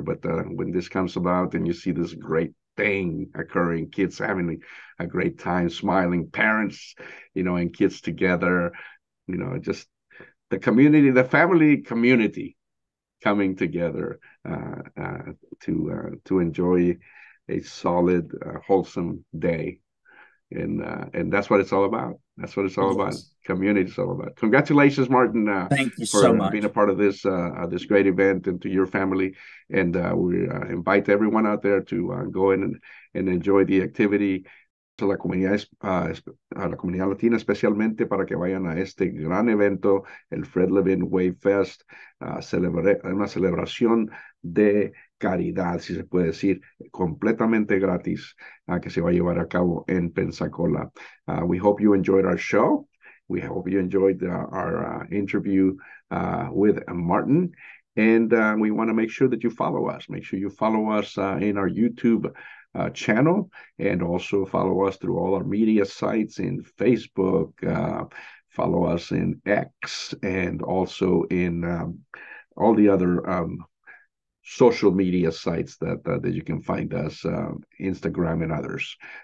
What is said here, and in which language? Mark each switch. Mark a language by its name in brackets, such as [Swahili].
[English] But when this comes about and you see this great thing occurring, kids having a great time, smiling parents, and kids together, just the community, the family community coming together to enjoy a solid, wholesome day, and that's what it's all about. That's what it's all about. Community is all about. Congratulations, Martin, Thank you so for being a much. part of this great event, and to your family. And we invite everyone out there to go in and enjoy the activity. [Spanish] A la comunidad, a la comunidad latina, especialmente para que vayan a este gran evento, el Fred Levin Way Fest, una celebración de caridad, si se puede decir, completamente gratis, que se va a llevar a cabo en Pensacola. [English] We hope you enjoyed our show. We hope you enjoyed our interview with Martin. And we want to make sure that you follow us. Make sure you follow us in our YouTube channel, and also follow us through all our media sites in Facebook, follow us in X, and also in all the other social media sites that you can find us, Instagram and others.